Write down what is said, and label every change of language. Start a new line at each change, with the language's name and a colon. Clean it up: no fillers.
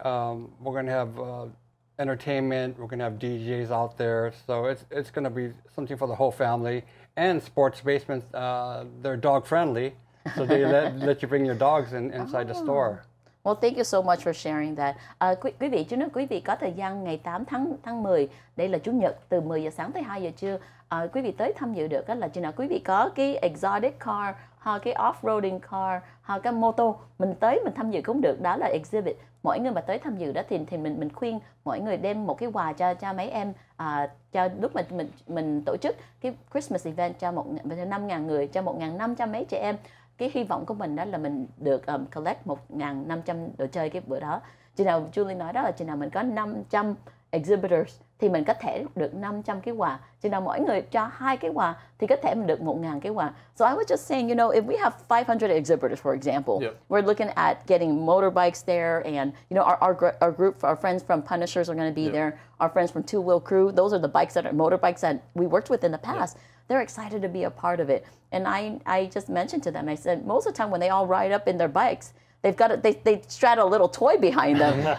English: We're going to have entertainment. We're going to have DJs out there. So it's going to be something for the whole family. And Sports Basement, they're dog friendly, so they let you bring your dogs inside the store. Well, thank you so much for sharing that.
Vietnamese: Quý vị, chúng quý vị có thời gian ngày 8 tháng 10, đây là Chủ nhật, từ 10 giờ sáng tới 2 giờ trưa, quý vị tới tham dự được là chừng nào quý vị có cái exotic car, hoặc cái off-roading car, hoặc cái mô tô, mình tới mình tham dự cũng được, đó là exhibit. Mỗi người mà tới tham dự đó thì mình khuyên mọi người đem một cái quà cho mấy em cho lúc mà mình tổ chức cái Christmas event cho 5.000 người, cho 1.500 mấy trẻ em. Cái hy vọng của mình đó là mình được collect 1.500 đồ chơi cái bữa đó. Chừng nào Julie nói đó là chừng nào mình có 500 exhibitors thì mình có thể được 500 cái quà. Chứ nào mỗi người cho 2 cái quà thì có thể mình được 1,000 cái quà.
English: So I was just saying, you know, if we have 500 exhibitors, for example, yep. we're looking at getting motorbikes there and, you know, our group, our friends from Punishers are going to be yep. there. Our friends from Two Wheel Crew, those are the bikes that are motorbikes that we worked with in the past. Yep. They're excited to be a part of it. And I just mentioned to them, I said, most of the time when they all ride up in their bikes, they've got they straddle a little toy behind them.